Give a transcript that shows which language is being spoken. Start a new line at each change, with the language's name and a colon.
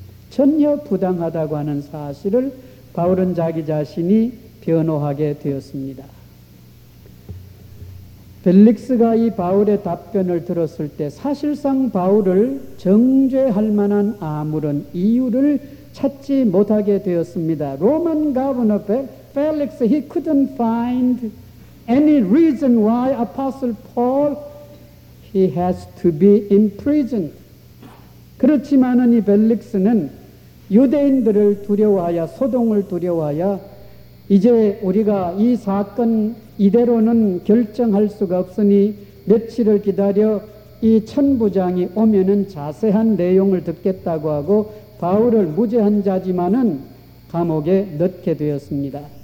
Korean: 전혀 부당하다고 하는 사실을 바울은 자기 자신이 변호하게 되었습니다. 벨릭스가 이 바울의 답변을 들었을 때 사실상 바울을 정죄할 만한 아무런 이유를 찾지 못하게 되었습니다.
English: Roman governor Felix, he couldn't find any reason why Apostle Paul he has to be imprisoned.
Korean: 그렇지만은 이 벨릭스는 유대인들을 두려워하여 소동을 두려워하여 이제 우리가 이 사건 이대로는 결정할 수가 없으니 며칠을 기다려 이 천부장이 오면은 자세한 내용을 듣겠다고 하고 바울을 무죄한 자지만은 감옥에 넣게 되었습니다.